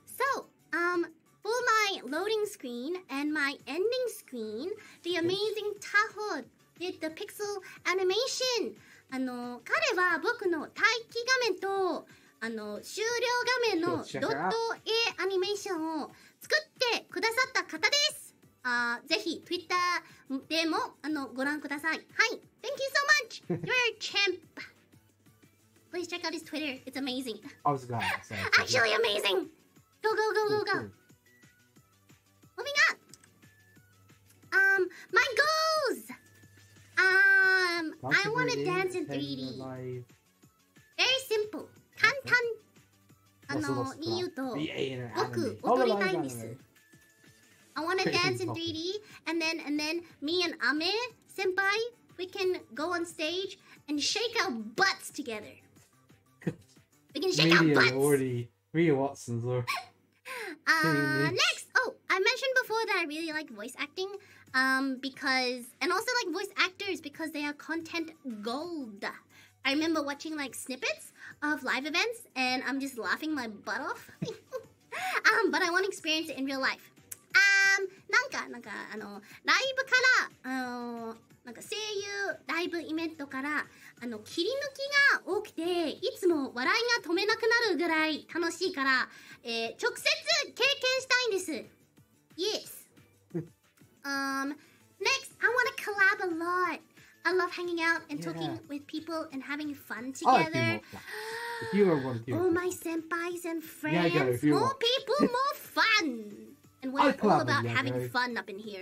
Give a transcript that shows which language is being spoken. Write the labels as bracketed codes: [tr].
[en] So, for my loading screen and my ending screen, the amazing Taho did the pixel animation. [ja] あの、彼は僕の待機画面とあの終了画面のドット絵アニメーションを作ってくださった方です。ぜひ Twitter でもあのご覧ください。はい。 [en] Thank you so much! You're a champ! Please check out his Twitter. It's amazing. Actually amazing! Go, go, go, go, go! Moving up! My goals! I want to dance in 3D. Very simple. [ja] 簡単に言うと、僕踊りたいんです。 [en] I want to dance in 3D. And then me and Ame, senpai, we can go on stage and shake our butts together. We can shake our butts! Already, me and Watson's are... next! Oh, I mentioned before that I really like voice acting. Because, and also like voice actors because they are content gold. I remember watching like snippets of live events and I'm just laughing my butt off. but I want to experience it in real life. [ja] なんかあのライブからなんか声優ライブイベントからあの切り抜きが多くていつも笑いが止めなくなるぐらい楽しいから、直接経験したいんです。 [en] Yes. Next, I want to collab a lot. I love hanging out and talking with people and having fun together. If you are one, all my senpais and friends, more people, more fun. And we're all about having fun up in here.